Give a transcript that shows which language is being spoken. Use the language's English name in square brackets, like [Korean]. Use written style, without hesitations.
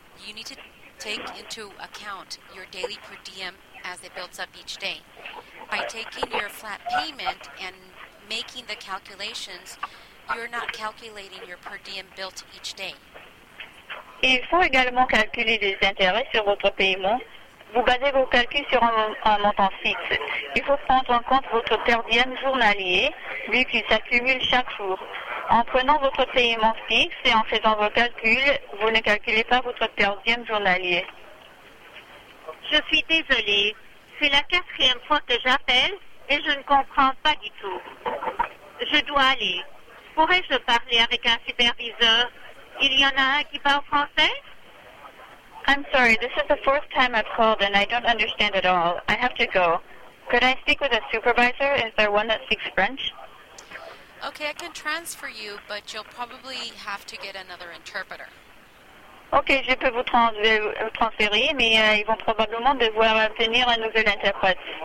[English] You need to take into account your daily per diem as it builds up each day. By taking your flat payment and making the calculations, you're not calculating your per diem built each day. [French] Il faut également calculer les intérêts sur votre paiement. Vous basez vos calculs sur un montant fixe. Il faut prendre en compte votre per diem journalier, vu qu'il s'accumule chaque jour. En prenant votre paiement fixe et en faisant vos calculs, vous ne calculez pas votre per diem journalier. Je suis désolée. C'est la quatrième fois que j'appelle et je ne comprends pas du tout. Je dois aller. Pourrais-je parler avec un superviseur? Il y en a un qui parle français? [English] I'm sorry, this is the fourth time I've called and I don't understand at all. I have to go. Could I speak with a supervisor? Is there one that speaks French? Okay, I can transfer you, but you'll probably have to get another interpreter. [French] Okay, je peux vous transférer, mais ils vont probablement devoir obtenir un nouvel interprète.